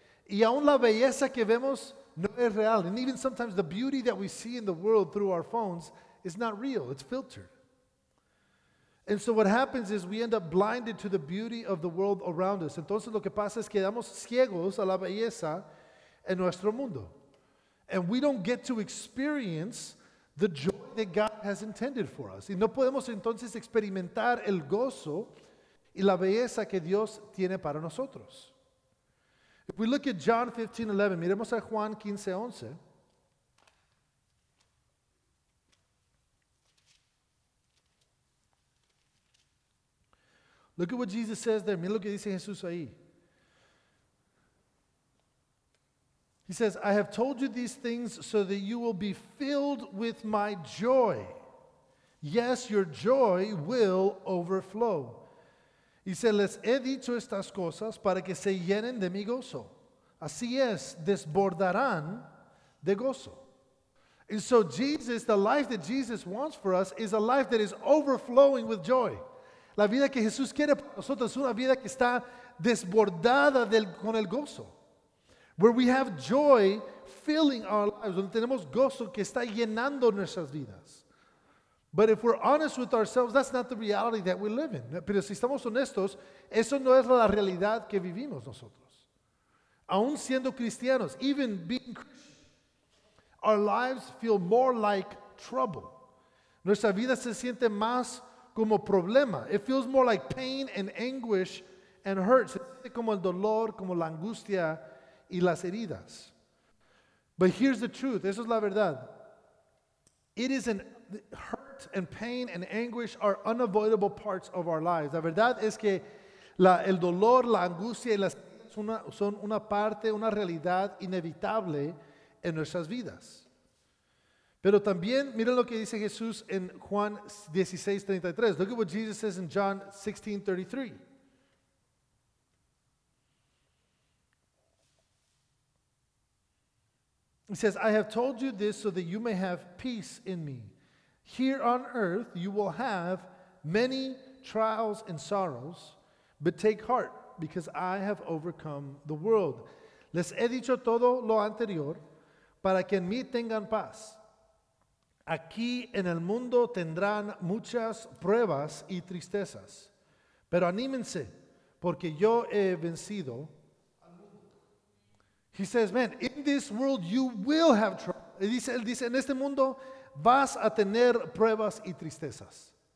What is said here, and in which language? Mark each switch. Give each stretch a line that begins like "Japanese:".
Spanish: Y aún la belleza que vemos no es real.
English: And even sometimes the beauty that we see in the world through our phones is not real. It's filtered. And so what happens is we end up blinded to the beauty of the world around us.
Spanish: Entonces lo que pasa es que quedamos ciegos a la belleza en nuestro mundo.
English: And we don't get to experience the joy that God has intended for us.
Spanish: Y no podemos entonces experimentar el gozo y la belleza que Dios tiene para nosotros.
English: If we look at John 15:11,
Spanish: miremos a Juan 15:11.
English: Look at what Jesus says there.
Spanish: Mira lo que dice Jesús ahí.
English: He says, I have told you these things so that you will be filled with my joy. Yes, your joy will overflow. He says,
Spanish: les he dicho estas cosas para que se llenen de mi gozo. Así es, desbordarán de gozo.
English: And so Jesus, the life that Jesus wants for us is a life that is overflowing with joy.
Spanish: La vida que Jesús quiere para nosotros es una vida que está desbordada con el gozo.
English: Where we have joy filling our lives,
Spanish: donde tenemos gozo que está llenando nuestras vidas.
English: But if we're honest with ourselves, that's not the reality that we live in.
Spanish: Pero si estamos honestos, eso no es la realidad que vivimos nosotros. Aún siendo cristianos,
English: even being Christian, our lives feel more like trouble.
Spanish: Nuestra vida se siente más como problema.
English: It feels more like pain and anguish and hurt.
Spanish: Se siente como el dolor, como la angustia y las heridas.
English: But here's the truth.
Spanish: Eso es la verdad.
English: It is an hurt and pain and anguish are unavoidable parts of our lives.
Spanish: La verdad es que el dolor, la angustia y las heridas son una parte, una realidad inevitable en nuestras vidas. Pero también, miren lo que dice Jesús en Juan 16:33.
English: Look at what Jesus says in John 16:33. He says, I have told you this so that you may have peace in me. Here on earth you will have many trials and sorrows, but take heart, because I have overcome the world.
Spanish: Les he dicho todo lo anterior para que en mí tengan paz. Aquí en el mundo tendrán muchas pruebas y tristezas, pero anímense, porque yo he vencido.
English: He says, man, in this world you will have trouble.
Spanish: Él dice, en este mundo vas a tener pruebas y tristezas.